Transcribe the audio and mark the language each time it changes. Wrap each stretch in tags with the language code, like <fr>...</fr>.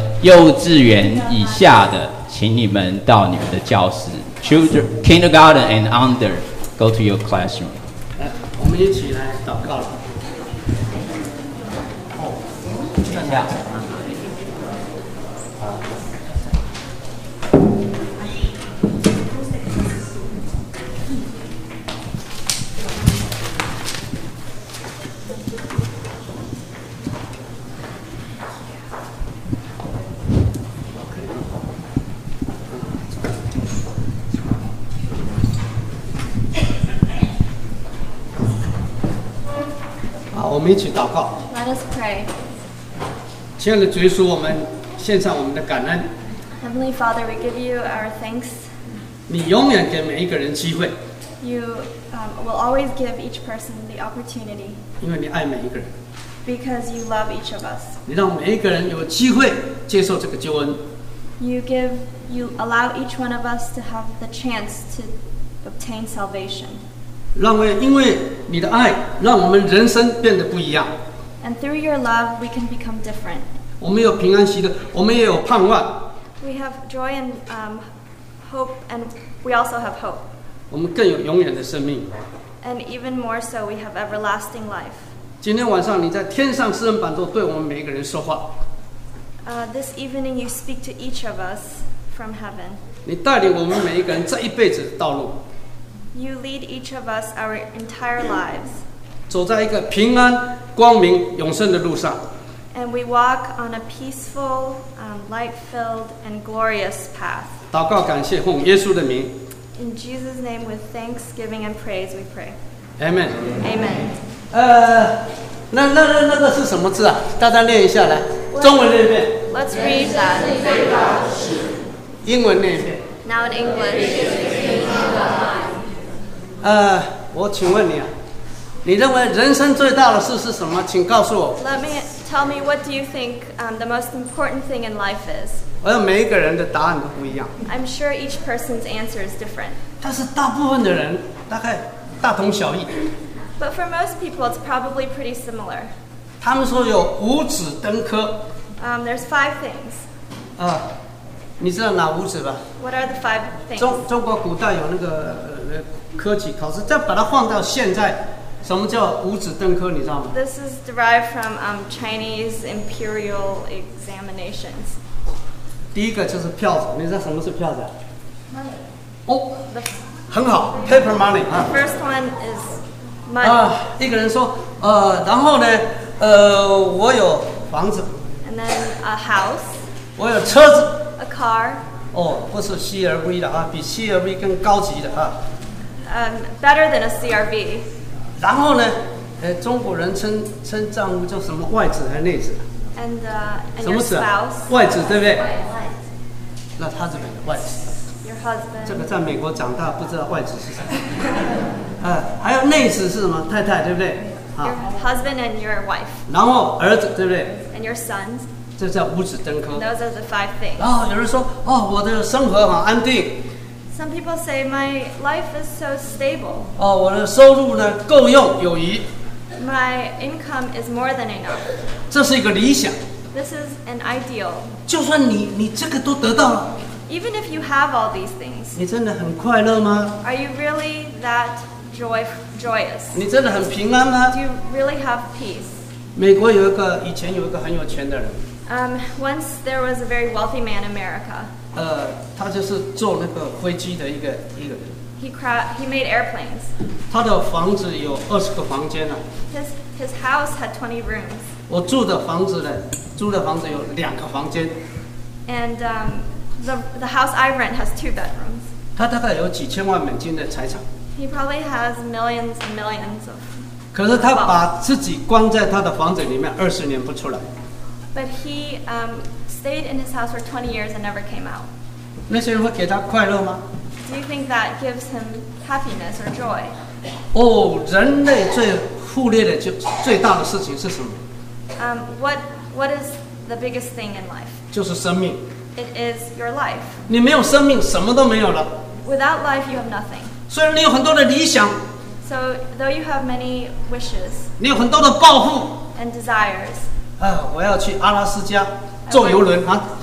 <zh>幼稚园以下的，请你们到你们的教室。</zh> <en>Children, kindergarten and under, go to your classroom.</en> <zh>来，我们一起来祷告了。好，我们一起祷告。</zh> <en>Let us pray.</en> <zh>亲爱的主耶稣，我们献上我们的感恩。</zh> <en>Heavenly Father, we give you our thanks.</en> <zh>你永远给每一个人机会。</zh> <en>You will always give each person the opportunity.</en> <zh>因为你爱每一个人。</zh> <en>Because you love each of us.</en> <zh>你让每一个人有机会接受这个救恩。</zh> <en>You allow each one of us to have the chance to obtain salvation.</en> <zh>因为你的爱，让我们人生变得不一样。</zh> <en>And through your love, we can become different.</en> <zh>我们有平安喜乐，我们也有盼望。</zh> <en>We have joy and hope, and we also have hope.</en> <zh>我们更有永远的生命。</zh> <en>And even more so, we have everlasting life.</en> <zh>今天晚上你在天上施恩板座对我们每一个人说话。</zh> <en>This evening, you speak to each of us from heaven.</en> <zh>你带领我们每一个人这一辈子的道路。</zh> <en>You lead each of us our entire lives.</en> <zh>走在一个平安、光明、永生的路上。</zh> <en>And we walk on a peaceful, light-filled, and glorious path.</en> <zh>祷告感谢，奉耶稣的名。</zh> <en>In Jesus' name, with thanksgiving and praise, we pray. Amen. Amen.</en> <zh>那个是什么字啊？大家念一下来，中文念一遍。</zh> <en>Let's read that.</en> <zh>英文念一遍。</zh> <en>Now in English.</en> <zh>我请问你啊。你认为人生最大的事是什么？请告诉我。</zh> <en>Tell me what do you think the most important thing in life is?</en> <zh>而每一个人的答案都不一样。</zh> <en>I'm sure each person's answer is different.</en> <zh>但是大部分的人大概大同小异。</zh> <en>But for most people, it's probably pretty similar.</en> <zh>他们说有五子登科。</zh> <en>There's five things.</en> <zh>你知道哪五子吧？</zh> <en>What are the five things?</en> <zh>中国古代有那个科举考试，再把它放到现在。什么叫五子登科？你知道吗</zh> <en>？This is derived from Chinese imperial examinations.</en> <zh>第一个就是票子，你知道什么是票子</zh> <en>？Money.</en> <zh>很好 ， paper money.</zh> <en>The first one is money.</en> <zh>一个人说，然后呢，我有房子。</zh> <en>And then a house.</en> <zh>我有车子。</zh> <en>A car.</en> <zh>不是 CRV 的啊，比 CRV 更高级的啊。</zh> <en>Better than a CRV.</en> <zh>然后呢，中国人称丈夫叫什么外子还是内子</zh> <en>and</en> <zh>什么子、啊、外子对不对外那他这边的外子</zh> <en>Your husband.</en> <zh>这个在美国长大不知道外子是什么还有内子是什么太太对不对</zh> <en>Your husband and your wife</en> <zh>然后儿子对不对</zh> <en>and your sons</en> <zh>这叫五子登科</zh> <en>those are the five things</en> <zh>然后有人说、我的生活很安定</zh> <en>Some people say my life is so stable.</en> <zh>我的收入呢够用有余。</zh> <en>My income is more than enough.</en> <zh>这是一个理想。</zh> <en>This is an ideal.</en> <zh>就算你这个都得到了。</zh> <en>Even if you have all these things.</en> <zh>你真的很快乐吗</zh> <en>？Are you really that joyous?</en> <zh>你真的很平安吗</zh> <en>？Do you really have peace?</en> <zh>美国有一个以前有一个很有钱的人。</zh> <en>Once there was a very wealthy man in America.</en> <zh>他就是做那个飞机的一个人。</zh> <en>He made airplanes.</en> <zh>他的房子有20个房间呢、啊。</zh> <en>His house had 20 rooms.</en> <zh>我住的房子呢，租的房子有2个房间。</zh> <en>And the house I rent has 2 bedrooms.</en> <zh>他大概有几千万美金的财产。</zh> <en>He probably has millions and millions of.</en> <zh>可是他把自己关在他的房子里面20年不出来。</zh> <en>But he stayed in his house for 20 years and never came out.</en> <zh>那些人会给他快乐吗</zh> <en>Do you think that gives him happiness or joy?</en> <zh>人类最忽略的就最大的事情是什么</zh> <en>What is the biggest thing in life?</en> <zh>就是生命</zh> <en>It is your life.</en> <zh>你没有生命什么都没有了</zh> <en>Without life, you have nothing.</en> <zh>虽然你有很多的理想</zh> <en>So though you have many wishes,</en> <zh>你有很多的抱负</zh> <en>and desires,</en> <zh>我要去阿拉斯加坐游轮啊！</zh>